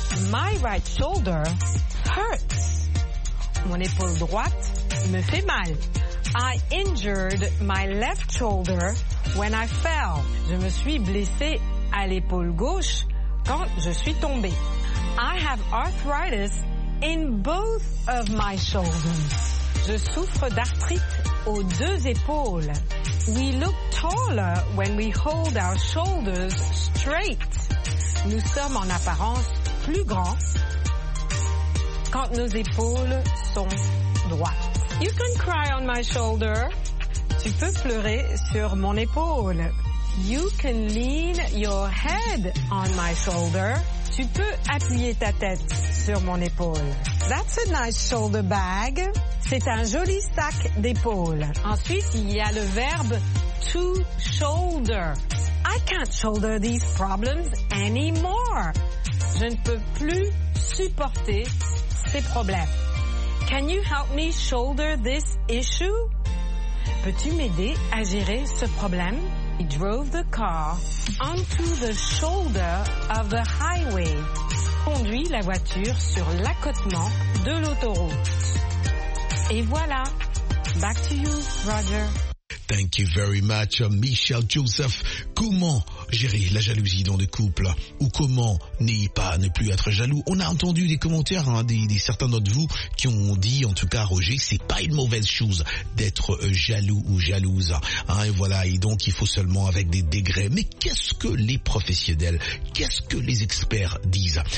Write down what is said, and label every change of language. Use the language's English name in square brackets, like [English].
[English] My right shoulder hurts. [French] Mon épaule droite me fait mal. [English] I injured my left shoulder when I fell. [French] Je me suis blessée à l'épaule gauche quand je suis tombée. [English] I have arthritis in both of my shoulders. [French] Je souffre d'arthrite aux deux épaules. [English] We look taller when we hold our shoulders straight. [French] Nous sommes en apparence plus grands quand nos épaules sont droites. [English] You can cry on my shoulder. [French] Tu peux pleurer sur mon épaule. [English] You can lean your head on my shoulder. [French] Tu peux appuyer ta tête sur mon épaule. [English] That's a nice shoulder bag. [French] C'est un joli sac d'épaule. Ensuite, il y a le verbe [English] to shoulder. I can't shoulder these problems anymore. [French] Je ne peux plus supporter ces problèmes. [English] Can you help me shoulder this issue? [French] Peux-tu m'aider à gérer ce problème? [English] He drove the car onto the shoulder of the highway. [French] Conduit la voiture sur l'accotement de l'autoroute. Et voilà. [English] Back to you, Roger. Thank you very much, Michel Joseph. [French] Comment gérer la jalousie dans le couple? Ou comment n'ayez pas ne plus être jaloux? On a entendu des commentaires, hein, des certains d'entre vous qui ont dit, en tout cas, Roger, c'est pas une mauvaise chose d'être jaloux ou jalouse, hein, et voilà. Et donc, il faut seulement avec des degrés. Mais qu'est-ce que les professionnels, qu'est-ce que les experts disent?